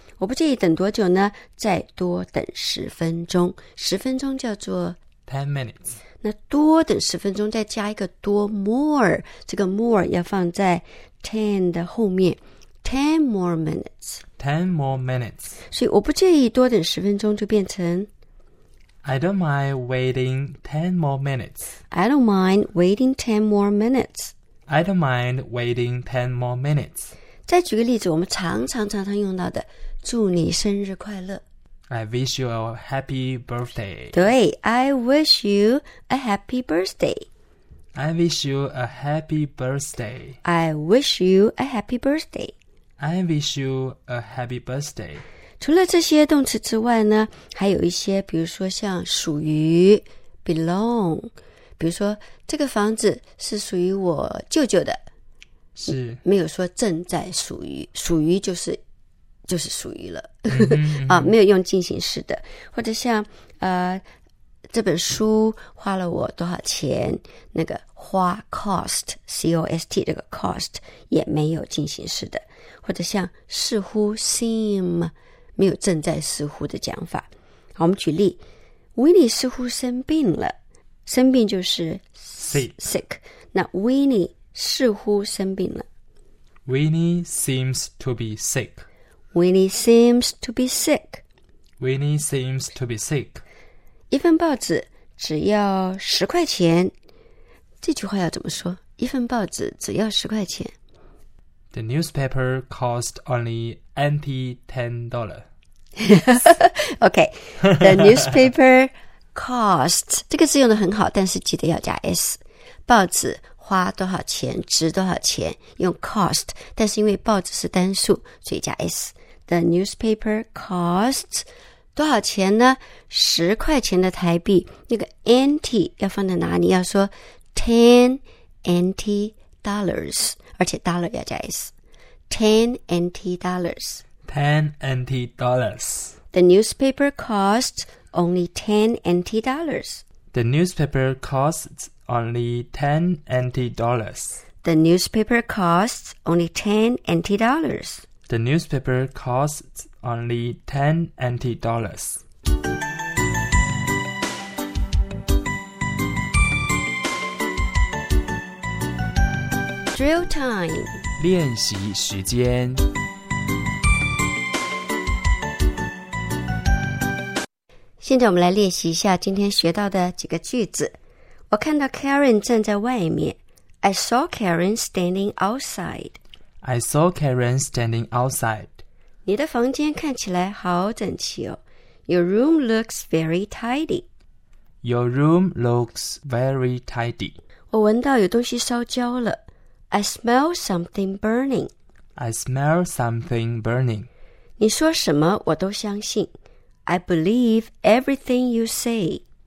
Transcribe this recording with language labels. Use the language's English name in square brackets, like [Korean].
[Chinese] 我不介意等多久呢，再多等十分钟，十分钟叫做 [English] 10 minutes， [Chinese] 那多等十分钟再加一个多 more， 这个 more 要放在 10 的后面， [English] 10 more minutes， 10 more minutes， [Chinese] 所以我不介意多等十分钟就变成 [English] I don't mind waiting 10 more minutes， I don't mind waiting 10 more minutes， I don't mind waiting 10 more minutes。 [Chinese] 再举个例子，我们常常用到的祝你生日快乐， [English] I wish you a happy birthday，对， I wish you a happy birthday， I wish you a happy birthday. I wish you a happy birthday. I wish you a happy birthday. [Chinese] 除了这些动词之外呢，还有一些比如说像属于 belong， 比如说这个房子是属于我舅舅的，是，没有说正在属于，属于就是属于了啊，没有用进行式的，或者像这本书花了我多少钱，那个花 cost C-O-S-T 这个 cost 也没有进行式的，或者像似乎 seem 没有正在似乎的讲法。好，我们举例， Winnie 似乎生病了，生病就是 [English] sick， [Chinese] 那 Winnie 似乎生病了， [English] Winnie seems to be sick， Winnie seems to be sick， Winnie seems to be sick。 [Chinese] 一份报纸只要十块钱，这句话要怎么说？一份报纸只要十块钱。 [English] The newspaper cost only $10. OK, the newspaper cost [Chinese] 这个字用得很好，但是记得要加 s。报纸花多少钱，值多少钱，用 cost， 但是因为报纸是单数，所以加 s。 [English] The newspaper costs [Chinese] 多少钱呢？十块钱的台币，那个 NT 要放在哪里？要说 [English] ten NT dollars， [Chinese] 而且 dollar 要加 s， ten NT dollars， [English] ten NT dollars。 The newspaper costs only ten NT dollars. The newspaper costs only ten NT dollars. The newspaper costs only ten NT dollars. The newspaper costs only 10 NT dollars. Drill time. [Chinese] 练习时间。现在我们来练习一下今天学到的几个句子。我看到 Karen 站在外面。 [English] I saw Karen standing outside. I saw Karen standing outside. [Chinese] 你的房间看起来好整齐哦。 [English] Your room looks very tidy. Your room looks very tidy. [Chinese] 我闻到有东西烧焦了。 [English] I smell something burning. I smell something burning. [Chinese] 你说什么我都相信。 [English] I believe everything you say.